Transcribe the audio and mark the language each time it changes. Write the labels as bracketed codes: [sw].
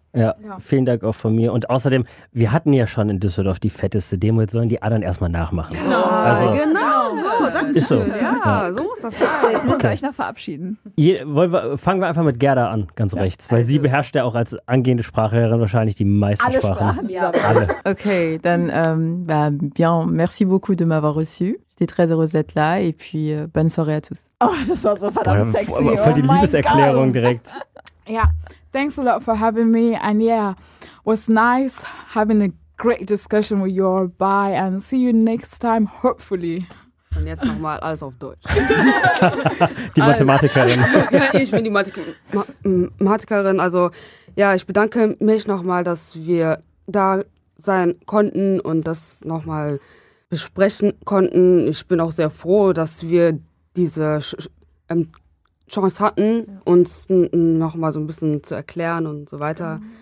[de] Ja, vielen Dank auch von mir. Und außerdem, wir hatten ja schon in Düsseldorf die fetteste Demo, jetzt sollen die anderen erstmal nachmachen. Genau, ist so. Ja, so muss das sein. Jetzt müsst ihr euch noch verabschieden. Fangen wir einfach mit Gerda an, ganz rechts. Weil also, sie beherrscht ja auch als angehende Sprachlehrerin wahrscheinlich die meisten Sprachen. Alle Sprachen, Okay, dann, [fr] bien, merci beaucoup de m'avoir reçu. J'étais très heureuse d'être là et puis bonne soirée à tous. [de] Oh, das war so verdammt sexy. Für die Liebeserklärung direkt. [en] Ja, thanks a lot for having me and yeah, was nice having a great discussion with you all. Bye and see you next time, hopefully. [de] Und jetzt nochmal alles auf Deutsch. Die Mathematikerin. Ich bin die Mathematikerin. Also ja, ich bedanke mich nochmal, dass wir da sein konnten und das nochmal besprechen konnten. Ich bin auch sehr froh, dass wir diese Chance hatten, uns nochmal so ein bisschen zu erklären und so weiter.